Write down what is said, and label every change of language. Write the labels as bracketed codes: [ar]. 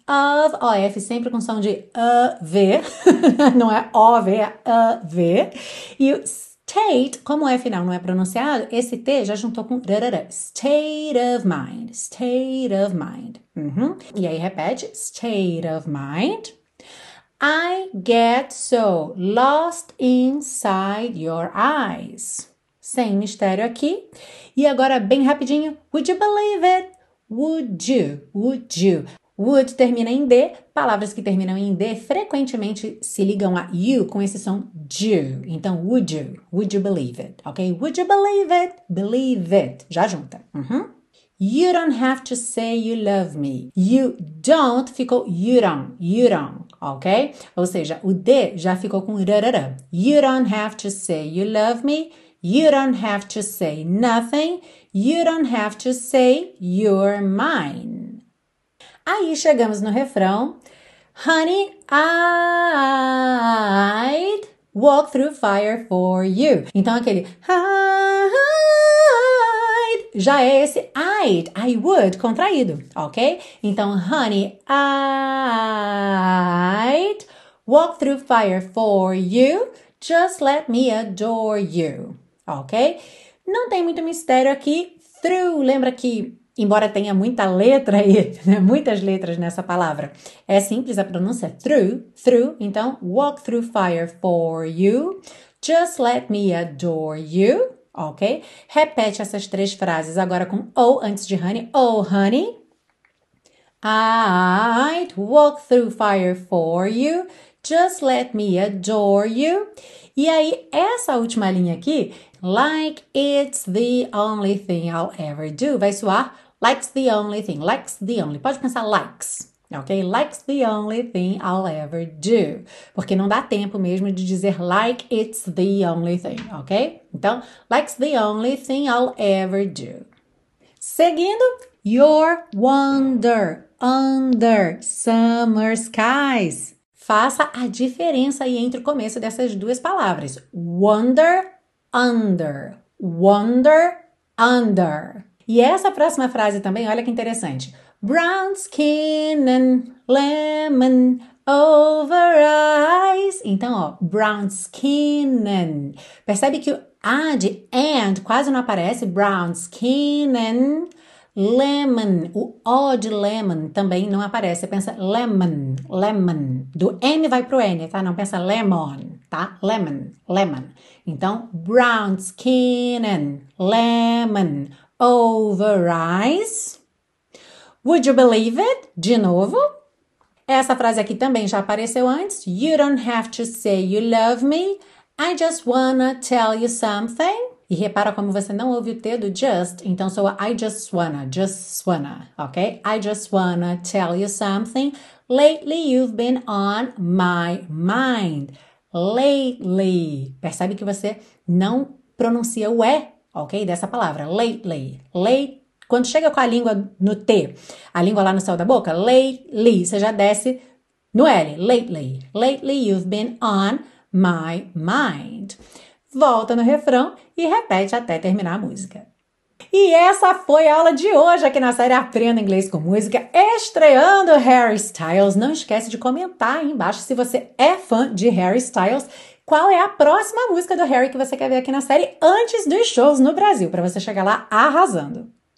[pt] Of, OF, sempre com som de AV. Não é OV, é AV. E o State, como é final, não é pronunciado, esse T já juntou com drarara. [en] State of mind, state of mind. [pt] E aí repete, [en] state of mind. I get so lost inside your eyes. [pt] Sem mistério aqui. E agora, bem rapidinho, [en] would you believe it? Would you? Would you? Would [pt] termina em D. Palavras que terminam em D frequentemente se ligam a you com esse som do. Então, [en] would you? Would you believe it? [pt] Ok? [en] Would you believe it? Believe it. [pt] Já junta. [en] You don't have to say you love me. You don't [pt] ficou [en] you don't. You don't. Ok? [pt] Ou seja, o D já ficou com rarara. [en] You don't have to say you love me. You don't have to say nothing. You don't have to say you're mine. [pt] Aí chegamos no refrão. [en] Honey, I'd walk through fire for you. [pt] Então aquele I'd já é esse I'd, I would contraído, ok? [en] Então, honey, I'd walk through fire for you. Just let me adore you, ok? [pt] Não tem muito mistério aqui. Through, lembra que. Embora tenha muita letra aí, né? Muitas letras nessa palavra. É simples a pronúncia, [en] through, então walk through fire for you, just let me adore you, ok? [pt] Repete essas três frases agora com oh antes de honey. [en] Oh, honey, I'd walk through fire for you, just let me adore you. [pt] E aí, essa última linha aqui, [en] like it's the only thing I'll ever do, [pt] vai soar. [en] Likes the only thing, likes the only. [pt] Pode pensar [en] likes, ok? Likes the only thing I'll ever do. [pt] Porque não dá tempo mesmo de dizer [en] like it's the only thing, [pt] ok? [en] Então, likes the only thing I'll ever do. [pt] Seguindo, [en] your wonder under summer skies. [pt] Faça a diferença aí entre o começo dessas duas palavras. [en] Wonder under. Wonder under. [pt] E essa próxima frase também, olha que interessante. [en] Brown skin and lemon over eyes. [pt] Então, ó, [en] brown skin and. [pt] Percebe que o a de and quase não aparece. [en] Brown skin and lemon. [pt] O o de lemon também não aparece. Pensa lemon, lemon. Do n vai pro n, tá? Não pensa lemon, tá? Lemon, lemon. Então, brown skin and lemon. [en] Over eyes. Would you believe it? [pt] De novo. Essa frase aqui também já apareceu antes. [en] You don't have to say you love me. I just wanna tell you something. [pt] E repara como você não ouve o T do just. Então soa [en] I just wanna, [pt] ok? [en] I just wanna tell you something. Lately you've been on my mind. Lately. [pt] Percebe que você não pronuncia o E. Ok? Dessa palavra, lately. Lay, quando chega com a língua no T, a língua lá no céu da boca, lately, você já desce no L, lately. [en] Lately you've been on my mind. [pt] Volta no refrão e repete até terminar a música. E essa foi a aula de hoje aqui na série Aprenda Inglês com Música, estreando Harry Styles. Não esquece de comentar aí embaixo se você é fã de Harry Styles. Qual é a próxima música do Harry que você quer ver aqui na série antes dos shows no Brasil, para você chegar lá arrasando?